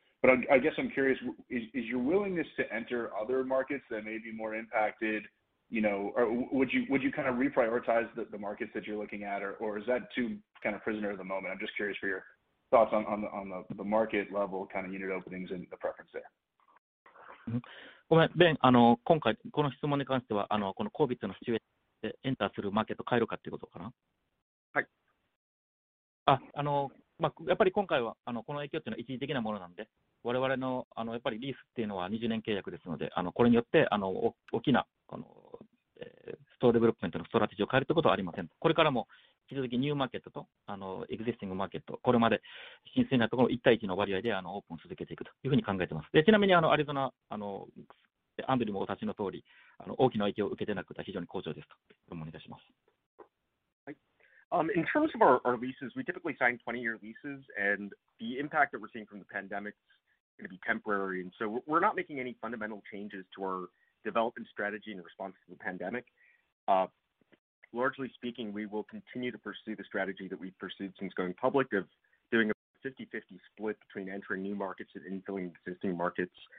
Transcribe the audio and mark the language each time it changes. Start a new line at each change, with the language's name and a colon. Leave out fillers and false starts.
English: But I guess I'm curious, is your willingness to enter other markets that may be more impacted, you know, or would you kind of reprioritize the markets that you're looking at, or is that too kind of prisoner of the moment? I'm just curious for your thoughts on the market level kind of unit openings and the preference there.
Japanese: ごめん、ベン、今回この質問に関しては、このコビットのシチュエーションでエンターするマーケット変えるかっていうことかな。はい。まあ、やっぱり今回はこの影響っていうのは一時的なものなんで、我々 のやっぱりリースっていうのは20年契約ですので、これによって大きなこの、ストアデベロップメントのストラテジーを変えるってことはありません。これからも引き続きニューマーケットとエグゼスティングマーケット、これまで新鮮なところを1対1の割合でオープン続けていくというふうに考えてます。でちなみにアリゾナ、アンドリューもお立ちの通り大きな影響を受けてなくて非常に好調ですと、お願いします。
English: In terms of our leases, we typically sign 20-year leases, and the impact that we're seeing from the pandemic is going to be temporary. And so we're not making any fundamental changes to our development strategy in response to the pandemic. Largely speaking, we will continue to pursue the strategy that we've pursued since going public of doing a 50-50 split between entering new markets and infilling existing markets.